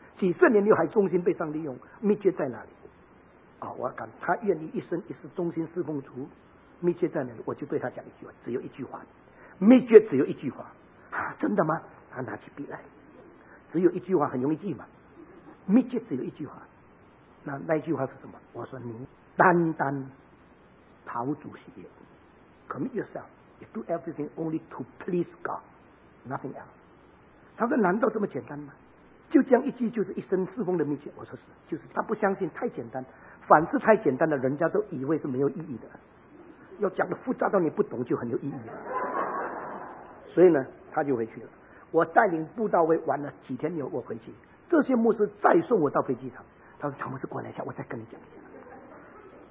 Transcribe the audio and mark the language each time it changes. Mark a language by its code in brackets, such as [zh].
[zh] 几十年又还忠心被上帝用，秘诀在哪里？我敢他愿意一生一世忠心侍奉主，秘诀在哪里？我就对他讲一句话，只有一句话，秘诀只有一句话啊！真的吗？他拿起笔来，只有一句话很容易记嘛，秘诀只有一句话。那句话是什么？我说你单单讨主喜悦， [en] commit yourself， you do everything only to please God， nothing else。 [zh] 他说难道这么简单吗？就这样一句就是一生侍奉的秘诀。我说是，就是他不相信太简单，凡事太简单的人家都以为是没有意义的，要讲的复杂到你不懂就很有意义了。所以呢他就回去了。我带领布道会玩了几天以后我回去，这些牧师再送我到飞机场，他说：“唐牧师过来一下，我再跟你讲一下。”